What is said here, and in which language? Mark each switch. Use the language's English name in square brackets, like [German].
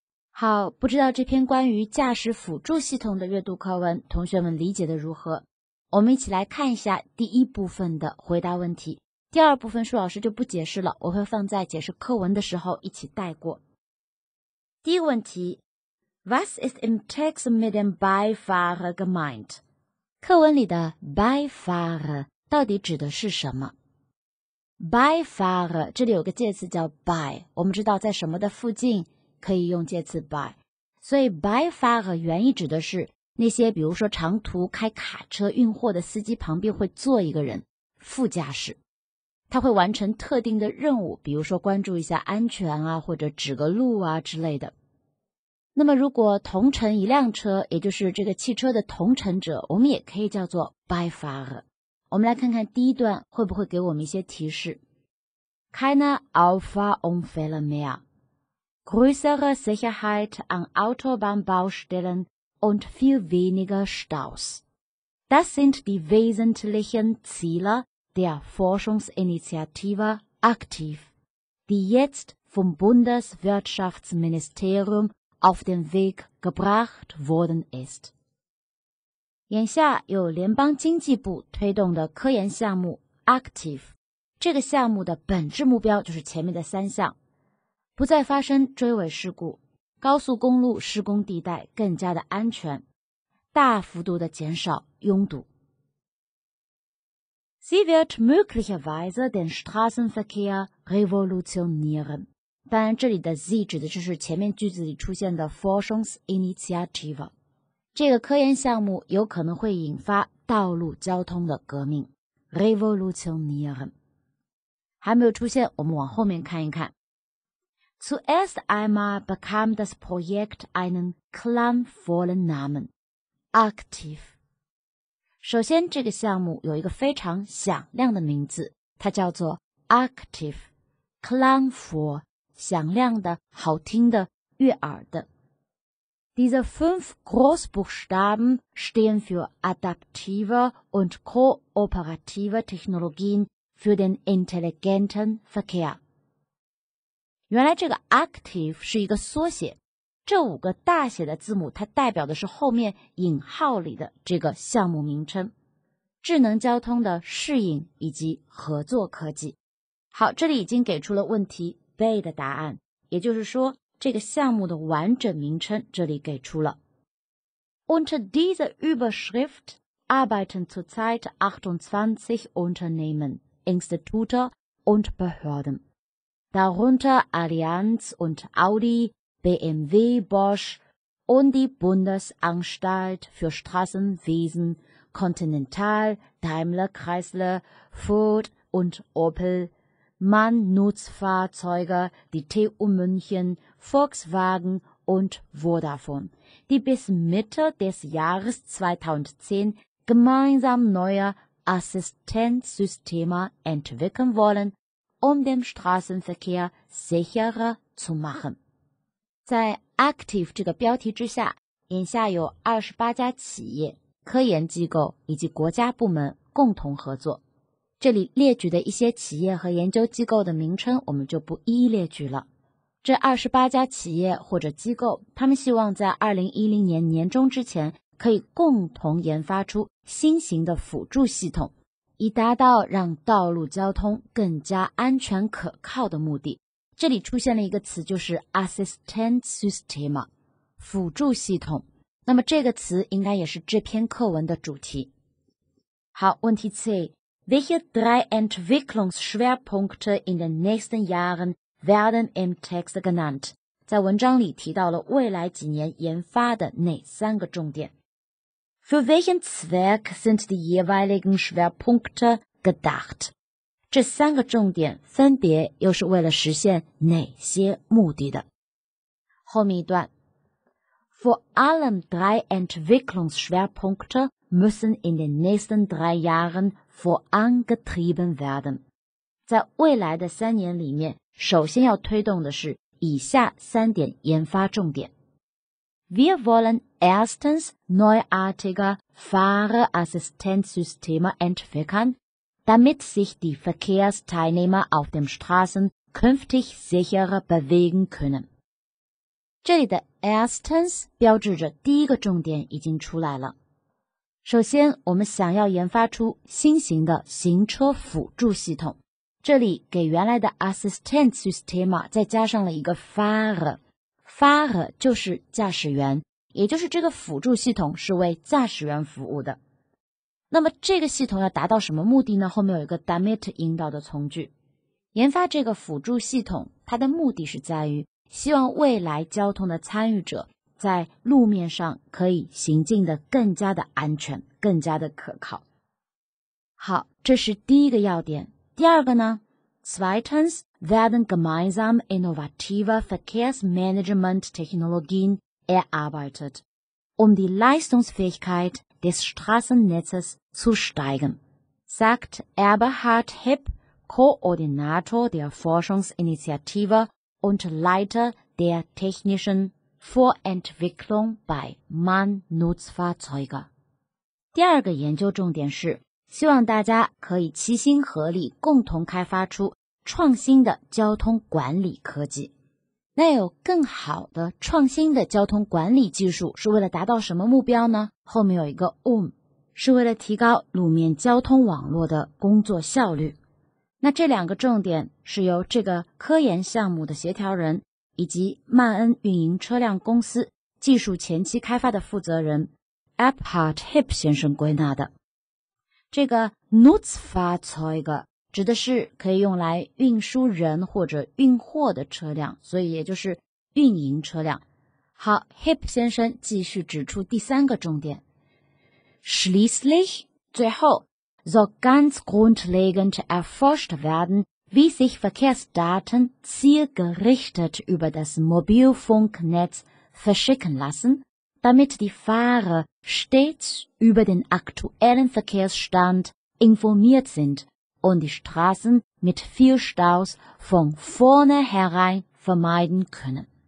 [Chinese] 好，不知道这篇关于驾驶辅助系统的阅读课文，同学们理解的如何？我们一起来看一下第一部分的回答问题。第二部分舒老师就不解释了，我会放在解释课文的时候一起带过。第一个问题， [German] Was ist im Text mit dem Beifahrer gemeint? [Chinese] 课文里的 Beifahrer 到底指的是什么？ Beifahrer 这里有个介词叫 by， 我们知道在什么的附近可以用介词 by， 所以 Beifahrer 原意指的是那些比如说长途开卡车运货的司机旁边会坐一个人，副驾驶，他会完成特定的任务，比如说关注一下安全啊，或者指个路啊之类的。那么如果同乘一辆车，也就是这个汽车的同乘者，我们也可以叫做 Beifahrer。我们来看看第一段会不会给我们一些提示。 [German] Keine Auffahrunfälle mehr. Größere Sicherheit an Autobahnbaustellen und viel weniger Staus. Das sind die wesentlichen Ziele der Forschungsinitiative Aktiv, die jetzt vom Bundeswirtschaftsministerium auf den Weg gebracht worden ist. [Chinese] 眼下有联邦经济部推动的科研项目 Active， 这个项目的本质目标就是前面的三项，不再发生追尾事故，高速公路施工地带更加的安全，大幅度的减少拥堵。 [German] Sie wird möglicherweise den Straßenverkehr revolutionieren。 [Chinese] 当然这里的 Sie 指的就是前面句子里出现的 Forschungsinitiative，这个科研项目有可能会引发道路交通的革命 ,revolutionieren。还没有出现，我们往后面看一看。 [German] Zuerst einmal bekam das Projekt einen klangvollen Namen, aktiv。 [Chinese] 首先这个项目有一个非常响亮的名字，它叫做 aktiv, klangvoll, 响亮的，好听的，悦耳的。 [German] Diese fünf Großbuchstaben stehen für adaptive und kooperative Technologien für den intelligenten Verkehr. [Chinese] 原来这个 active 是一个缩写，这五个大写的字母它代表的是后面引号里的这个项目名称，智能交通的适应以及合作科技。好，这里已经给出了问题 B 的答案，也就是说这个项目的完整名称这里给出了。 [German] Unter dieser Überschrift arbeiten zurzeit 28 Unternehmen, Institute und Behörden. Darunter Allianz und Audi, BMW, Bosch und die Bundesanstalt für Straßenwesen, Continental, Daimler, Chrysler, Ford und Opel. Man nutzt Fahrzeuge, die TU München, Volkswagen und Vodafone, die bis Mitte des Jahres 2010 gemeinsam neue Assistenzsysteme entwickeln wollen, um den Straßenverkehr sicherer zu machen. [Chinese] 在 Active 这个标题之下，眼下有28家企业、科研机构以及国家部门共同合作。这里列举的一些企业和研究机构的名称我们就不一一列举了。这28家企业或者机构，他们希望在2010年年中之前可以共同研发出新型的辅助系统，以达到让道路交通更加安全可靠的目的。这里出现了一个词，就是 assistance system， 辅助系统。那么这个词应该也是这篇课文的主题。好，问题 C， [German] Welche drei Entwicklungsschwerpunkte in den nächsten Jahren werden im Text genannt? [Chinese] 在文章里提到了未来几年研发的哪三个重点。 [German] Für welchen Zweck sind die jeweiligen Schwerpunkte gedacht? [Chinese] 这三个重点分别又是为了实现哪些目的的？后面一段。 [German] Vor allem drei Entwicklungsschwerpunkte müssen in den nächsten drei Jahren vorangetrieben werden. [Chinese] 在未来的三年里面，首先要推动的是以下三点研发重点。 [German] Wir wollen erstens neuartige Fahrerassistenzsysteme entwickeln, damit sich die Verkehrsteilnehmer auf den Straßen künftig sicherer bewegen können. [Chinese] 这里的 Astens 标志着第一个重点已经出来了。首先，我们想要研发出新型的行车辅助系统。这里给原来的 Assistance Sistema 再加上了一个 Fahrer 就是驾驶员，也就是这个辅助系统是为驾驶员服务的。那么这个系统要达到什么目的呢？后面有一个 Damit 引导的从句。研发这个辅助系统，它的目的是在于希望未来交通的参与者在路面上可以行进的更加的安全，更加的可靠。好，这是第一个要点。第二个呢？ [German] Zweitens werden gemeinsam innovative Verkehrsmanagement Technologien erarbeitet, um die Leistungsfähigkeit des Straßennetzes zu steigern, sagt Eberhard Hepp, Koordinator der Forschungsinitiative und Leiter der technischen Vorentwicklung bei Mann-Nutzfahrzeuge. [Chinese] 第二个研究重点是希望大家可以齐心合力共同开发出创新的交通管理科技。那有更好的创新的交通管理技术是为了达到什么目标呢？后面有一个 是为了提高路面交通网络的工作效率。那这两个重点是由这个科研项目的协调人以及曼恩运营车辆公司技术前期开发的负责人 Eberhard Hepp 先生归纳的。这个 Nutzfahrzeuge 指的是可以用来运输人或者运货的车辆，所以也就是运营车辆。好， Hepp 先生继续指出第三个重点。 [German] Schließlich, [Chinese] 最后， [German] So ganz grundlegend erforscht werden, wie sich Verkehrsdaten zielgerichtet über das Mobilfunknetz verschicken lassen, damit die Fahrer stets über den aktuellen Verkehrsstand informiert sind und die Straßen mit viel Staus von vornherein vermeiden können.